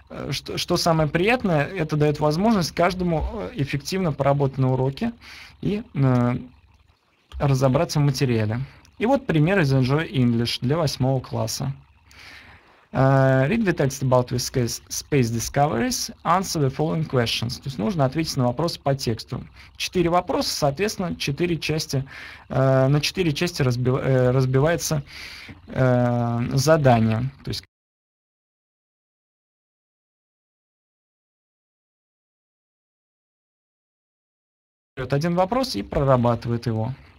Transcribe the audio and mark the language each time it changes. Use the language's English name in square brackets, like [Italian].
[Russian] Что самое приятное, это дает возможность каждому эффективно поработать на уроке и разобраться в материале. И вот пример из Enjoy English для 8 класса. [English] Read the text about space discoveries, answer the following questions. [Russian] То есть нужно ответить на вопросы по тексту. 4 вопроса, соответственно, 4 части, на 4 части разбивается задание. То есть один вопрос и прорабатывает его.